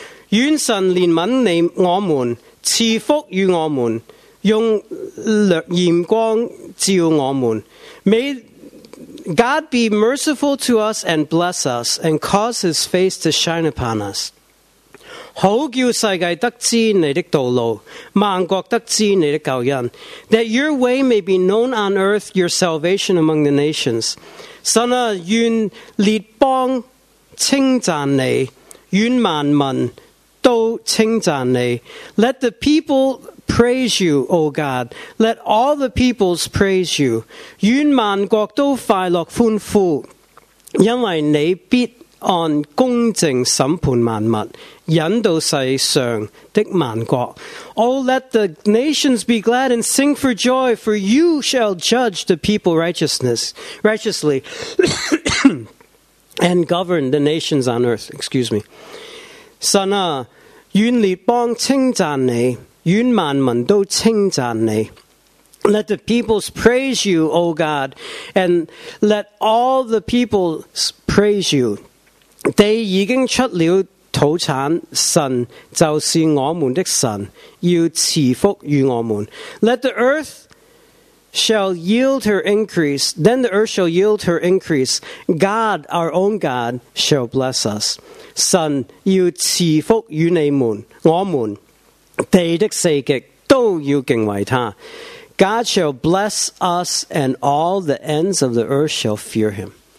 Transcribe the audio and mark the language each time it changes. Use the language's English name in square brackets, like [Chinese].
[Chinese] 愿神怜悯你我们，赐福与我们，用严光照我们。 [English] May God be merciful to us and bless us, and cause his face to shine upon us. [Chinese] 好叫世界得知你的道路，万国得知你的救恩。 [English] That your way may be known on earth, your salvation among the nations. [Chinese] 神啊，愿列邦称赞你，愿万民都称赞你。 [English] Let the people praise you, O God. Let all the peoples praise you. [Chinese] 愿万国都快乐欢呼，因为你必按公正审判万物，引导世上的万国。 [English] Oh, let the nations be glad and sing for joy, for you shall judge the people righteously and govern the nations on earth. Excuse me. [Chinese] 神啊，愿列邦称赞你，愿万民都称赞你。 [English] Let the peoples praise you, O God, and let all the peoples praise you. [Chinese] 地已经出了土产，神就是我们的神，要赐福于我们。 [English] Let the earth shall yield her increase, then the earth shall yield her increase. God, our own God, shall bless us. [Chinese] 神要赐福于你们，我们地的四极都要敬畏他。 [English] God shall bless us, and all the ends of the earth shall fear him.